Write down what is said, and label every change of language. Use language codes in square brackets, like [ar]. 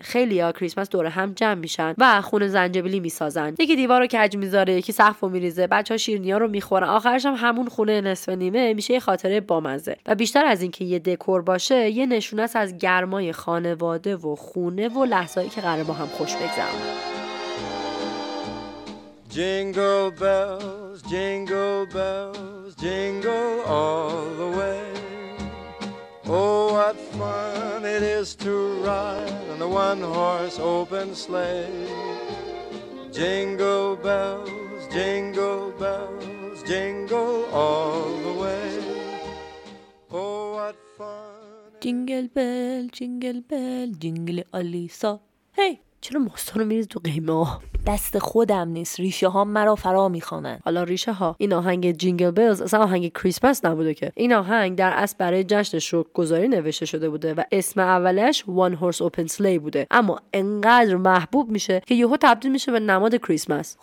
[fa] خیلی ها کریسمس دور هم جمع میشن و خونه زنجبیلی میسازن، یکی دیوار رو کج میذاره، یکی سقفو میریزه، بچه ها شیرنیا رو میخورن، آخرش هم همون خونه نصف نیمه میشه یه خاطره بامزه. و بیشتر از این که یه دکور باشه، یه نشونه است از گرمای خانواده و خونه و لحظه‌ای که قرار با هم خوش بگذرونن. [en] Jingle bells, jingle bells, jingle all the way. Oh, what fun it is to ride in a one-horse open sleigh. Jingle bells, jingle bells, jingle all the way. Oh, what fun! Jingle bell, jingle bell, jingle Alisa. Hey! [fa] چرا ماستانو میریز تو قیمه ها؟ دست خودم نیست، ریشه ها مرا فرا میخوانن. حالا ریشه ها، این آهنگ جینگل بیلز اصلا آهنگ کریسمس نبوده که. این آهنگ در اصل برای جشن شکرگزاری نوشته شده بوده و اسم اولش One Horse Open Sleigh بوده، اما انقدر محبوب میشه که یهو تبدیل میشه به نماد کریسمس.